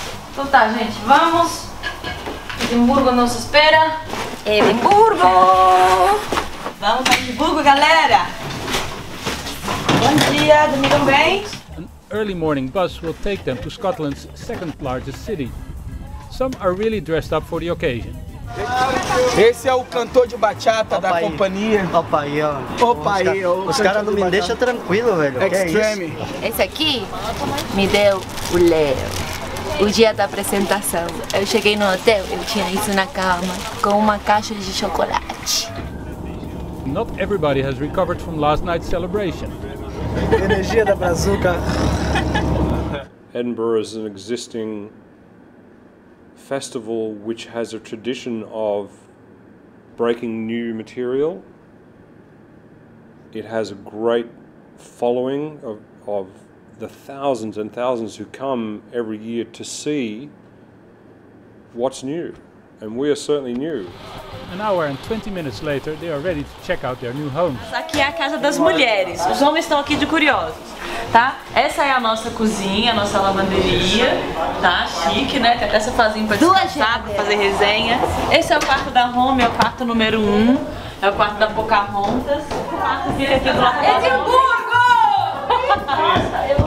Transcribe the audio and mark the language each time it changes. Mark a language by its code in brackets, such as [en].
[pt] Então tá, gente, vamos. Edimburgo nos espera. Edimburgo! Vamos para Edimburgo, galera! Bom dia, dormiram bem? [en] Early morning bus will take them to Scotland's second largest city. Some are really dressed up for the occasion. [pt] Esse é o cantor de bachata da companhia. Opa aí, ó. Opa aí, ó. Os caras não me deixam tranquilo, velho. [en] Extreme. [pt] Esse aqui me deu o Leo. O dia da apresentação. Eu cheguei no hotel, eu tinha isso na cama, com uma caixa de chocolate. [en] Not everybody has recovered from last night's celebration. [pt] Energia da Brazouka. [en] Edinburgh is an existing festival which has a tradition of breaking new material. It has a great following of the thousands and thousands who come every year to see what's new. And we are certainly new. An hour and 20 minutes later, they are ready to check out their new homes. [pt] Aqui é a casa das mulheres. Os homens estão aqui de curiosos, tá? Essa é a nossa cozinha, a nossa lavanderia, tá? Chique, né? Tem até essa fazinha para descansar, para fazer resenha. Esse é o quarto da Home, é o quarto número 1. É o quarto da Pocahontas. O quarto fica aqui do lado. Edimburgo!